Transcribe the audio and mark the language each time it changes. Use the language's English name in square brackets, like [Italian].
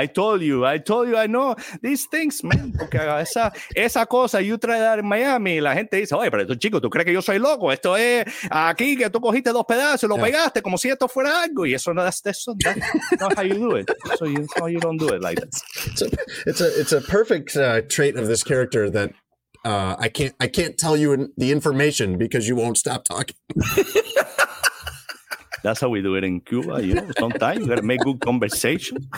[English] I told you, I know these things, man. [Spanish] Porque esa cosa, [English] you try that in Miami, [Spanish] la gente dice, oye, pero tú, chico, ¿tú crees que yo soy loco? Esto es aquí que tú cogiste dos pedazos, lo pegaste como si esto fuera algo. Y eso no es eso. [English] That's not how you do it. So you, you don't do it like that. It's a perfect trait of this character that I can't tell you the information because you won't stop talking. That's how we do it in Cuba, you know. Sometimes you gotta make good conversation.